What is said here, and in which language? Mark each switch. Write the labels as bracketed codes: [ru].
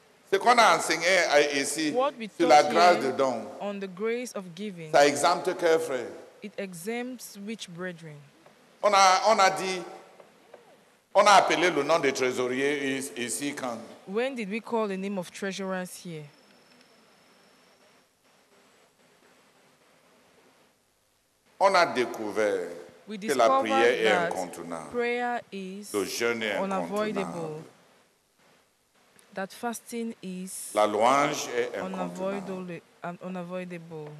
[fr] Ce qu'on a enseigné ici sur la grâce de don, [en] on the grace of giving, [fr] ça exempte quel frère? [en] It exempts which brethren? [fr] On a appelé le nom des trésoriers ici quand? [en] When did we call the name of treasurers here? [fr] On a découvert que la prière est incontournable. [en] Prayer is [fr] le jeûne est [en] unavoidable. That fasting is [fr] la louange est [en] unavoidable.